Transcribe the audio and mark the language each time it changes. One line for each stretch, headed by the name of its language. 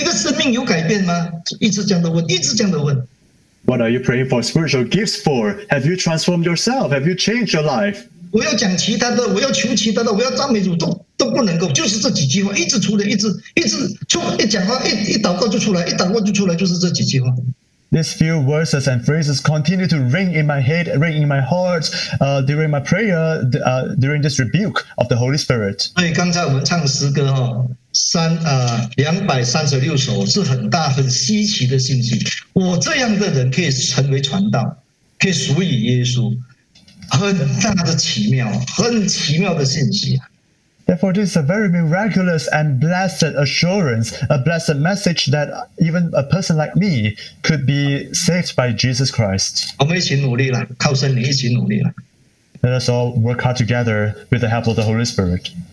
Chinese: 你求什么恩赐啊？你改变了没有？你有改变吗？你的生命有改变吗？一直这样的问，一直这样的问。
English: What are you praying for spiritual gifts for? Have you transformed yourself? Have you changed your life?
Chinese: 我要讲其他的，我要求其他的，我要赞美主都不能够，就是这几句话，一直出来，一直出，一讲话，一祷告就出来，一祷告就出来，就是这几句话。
English: These few verses and phrases continue to ring in my head, ring in my heart during my prayer, during this rebuke of the Holy Spirit.
Chinese: 所以刚才我们唱诗歌，236首是很大很稀奇的信息。我这样的人可以成为传道，可以属于耶稣，很大的奇妙，很奇妙的信息啊。
English: Therefore, this is a very miraculous and blessed assurance, a blessed message that even a person like me could be saved by Jesus Christ. Let us all work hard together with the help of the Holy Spirit.